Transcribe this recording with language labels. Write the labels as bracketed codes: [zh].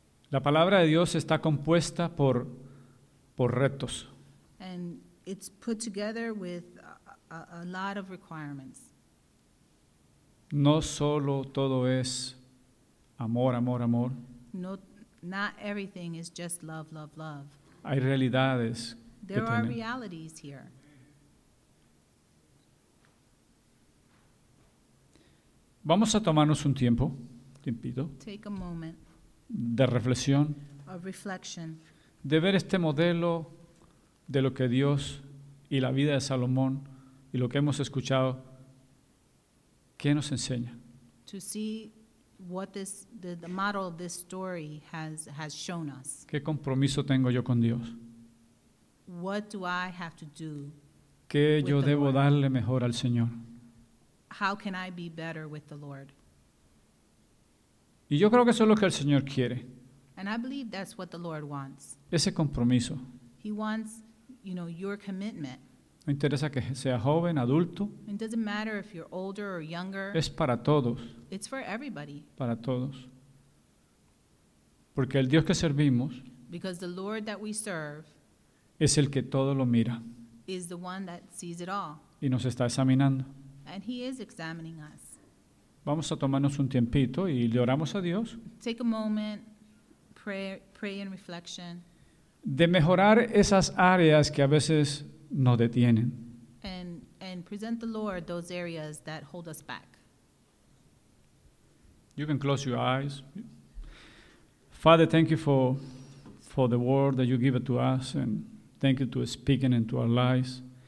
[es] La palabra de Dios está compuesta por retos. [en] And it's put together with a lot of requirements. [es] No solo todo es amor, amor, amor. [en] No, not everything is just love, love, love. [es] Hay realidades. [en] There are realities here. [es] Vamos a tomarnos un tiempo, tiempito. [en] Take a moment. [es] De reflexión. [en] Of reflection. [es] De ver este modelo de lo que Dios y la vida de Salomón y lo que hemos escuchado, ¿qué nos enseña? [en] To see what this, the model of this story has shown us. [es] ¿Qué compromiso tengo yo con Dios? [en] What do I have to do? [es] ¿Qué yo debo darle mejor al Señor? [en] How can I be better with the Lord? [es] Y yo creo que eso es lo que el Señor quiere. [en] And I believe that's what the Lord wants. [es] Ese compromiso. [en] He wants, you know, your commitment. [es] No interesa que sea joven, adulto. [en] It doesn't matter if you're older or younger. [es] Es para todos. [en] It's for everybody. [es] Para todos. Porque el Dios que servimos. [en] Because the Lord that we serve. [es] Es el que todo lo mira. [en] Is the one that sees it all. [es] Y nos está examinando. [en] And he is examining us. [es] Vamos a tomarnos un tiempito y le oramos a Dios. [en] Take a moment, pray in reflection. [es] De mejorar esas áreas que a veces nos detienen. [en] And present the Lord those areas that hold us back. You can close your eyes. Father, thank you for the word that you give it to us, and thank you to speaking into our lives.